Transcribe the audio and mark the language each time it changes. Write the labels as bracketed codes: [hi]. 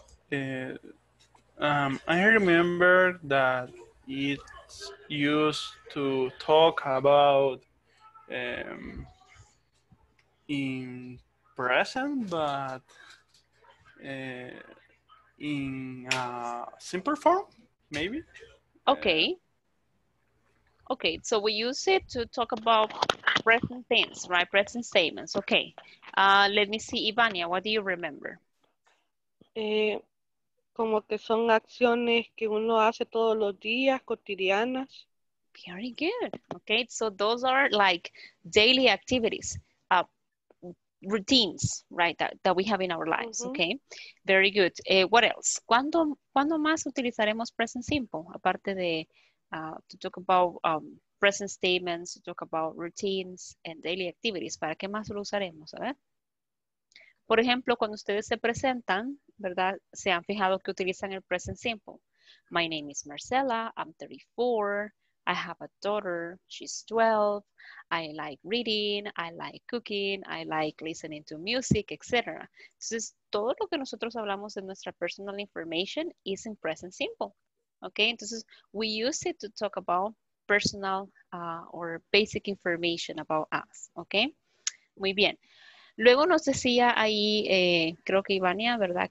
[en] I remember that it's used to talk about in present, but in a simple form, maybe? Okay. Okay, so we use it to talk about present things, right? Present statements. Okay, let me see, Ivania, what do you remember? [es] Como que son acciones que uno hace todos los días, cotidianas. [en] Very good. Okay, so those are like daily activities, routines, right, that we have in our lives, mm-hmm. Okay? Very good. What else? [es] ¿Cuándo más utilizaremos present simple, aparte de... [en] to talk about present statements, to talk about routines and daily activities. [es] ¿Para qué más lo usaremos? A ver. Por ejemplo, cuando ustedes se presentan, ¿verdad? Se han fijado que utilizan el present simple. [en] My name is Marcela, I'm 34, I have a daughter, she's 12, I like reading, I like cooking, I like listening to music, etc. [es] Entonces, todo lo que nosotros hablamos de nuestra [en] personal information is in present simple. Okay, entonces, we use it to talk about personal or basic information about us. [es] Okay, muy bien. Luego nos decía ahí, creo que Ivania, ¿verdad?